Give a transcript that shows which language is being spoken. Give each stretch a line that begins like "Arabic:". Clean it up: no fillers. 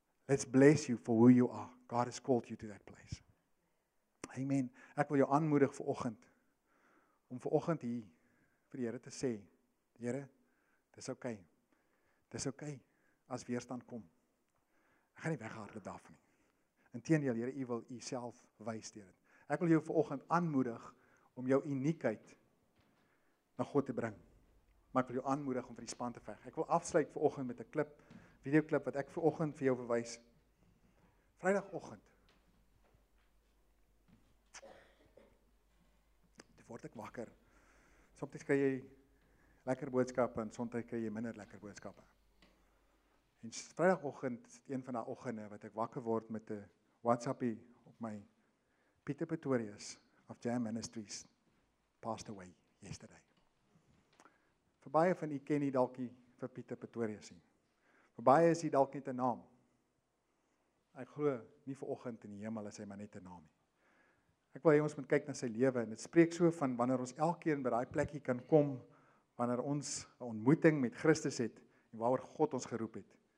English: Let's bless you for who you are. God has called you to that place. Amen.
Afrikaans: Ek wil jou aanmoedig vanoggend om vanoggend hier vir die Here te sê, Here, dis okay. Dis okay as weerstand kom. Ek gaan nie weghardloop daarvan nie. Inteendeel, Here, U wil U self wys deur dit. Ek wil jou vanoggend aanmoedig om jou uniekheid na God te bring. Maar ek wil jou aanmoedig om vir die span te veg. Ek wil afsluit vanoggend met 'n klip, videoklip wat ek vanoggend vir jou verwys. Vrydagoggend. Toe word ek wakker. Soms kry jy lekker boodskappe en soms kry jy minder lekker boodskappe. En Vrydagoggend is dit een van daai oggende wat ek wakker word met 'n WhatsAppie op my.
English: Pieter Pretorius of Jam Ministries passed away yesterday.
Afrikaans: Vir baie van u ken nie dalk vir Pieter Pretorius nie. Vir baie is hy dalk net 'n naam. Ek glo nie vanoggend in die hemel is hy maar net 'n naam nie. Ek wil hê ons moet kyk na sy lewe en dit spreek so van wanneer ons elkeen by daai plekkie kan kom wanneer ons 'n ontmoeting met Christus het en waaroor God ons geroep het.